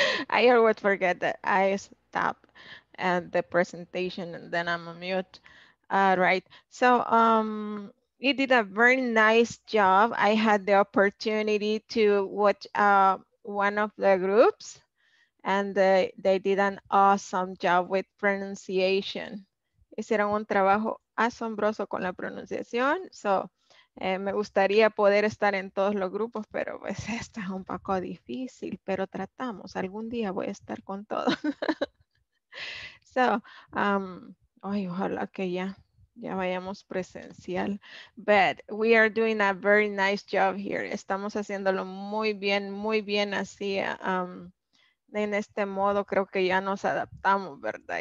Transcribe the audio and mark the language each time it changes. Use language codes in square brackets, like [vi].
[en] I always forget that I stop at the presentation and then I'm on mute. Right. So you did a very nice job. I had the opportunity to watch one of the groups and they did an awesome job with pronunciation. [es] Hicieron un trabajo asombroso con la pronunciación. So me gustaría poder estar en todos los grupos, pero pues esto es un poco difícil, pero tratamos. Algún día voy a estar con todos. So, ojalá que ya vayamos presencial. [en] But we are doing a very nice job here. [es] Estamos haciéndolo muy bien así. En este modo creo que ya nos adaptamos, ¿verdad?